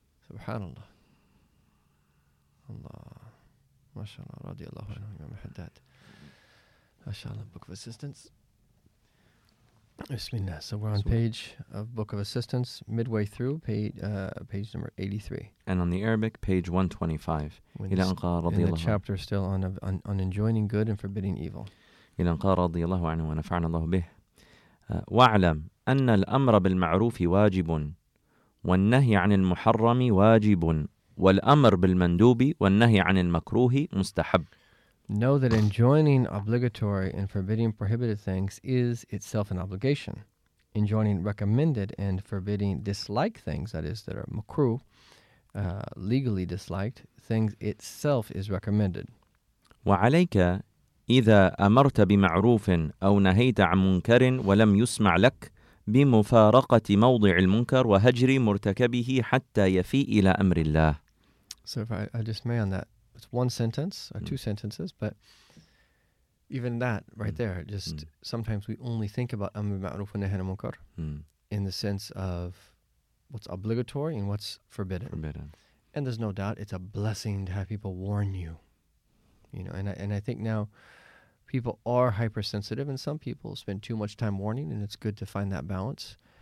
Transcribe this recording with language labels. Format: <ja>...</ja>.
<en>Subhanallah. Allah. MashaAllah. Radiallahu anhu. Imam Haddad. MashaAllah. Book of Assistance. Bismillah. So we're on page of Book of Assistance, midway through page number 83. And on the Arabic, page 125. In the chapter still on enjoining good and forbidding evil.</en> <ar>إلى أن قال رضي الله عنه ونفعنا الله به وأعلم أن الأمر بالمعروف واجب والنهي عن المحرم واجب والأمر بالمندوب والنهي عن المكروه مستحب.</ar> <en>Know that enjoining obligatory and forbidding prohibited things is itself an obligation. Enjoining recommended and forbidding disliked things, that is, that are makruh, legally disliked things, itself is recommended.</en> <ar>وعليك إذا أمرت بمعروف أو نهيت عن منكر ولم يسمع لك بمفارقة موضع المنكر وهجر مرتكبه حتى يفي إلى أمر الله.</ar> <en>So if I just may on that. It's one sentence or two sentences, but even that right there, just sometimes we only think about amr ma'ruf wa nahy an munkar in the sense of what's obligatory and what's forbidden. And there's no doubt it's a blessing to have people warn you. You know, and I think now people are hypersensitive, and some people spend too much time warning, and it's good to find that balance.</en>